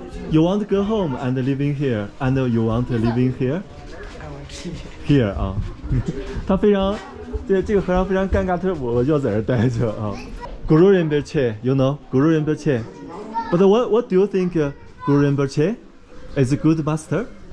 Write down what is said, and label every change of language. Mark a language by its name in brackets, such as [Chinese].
[English] you want to go home and living here, and you want to living here. [Chinese] Here 啊，他非常，对这个和尚非常尴尬，他说我就要在这儿待着啊。 [English] Guru Rinpoche, you know, Guru Rinpoche. But what do you think, Guru Rinpoche, is a good master?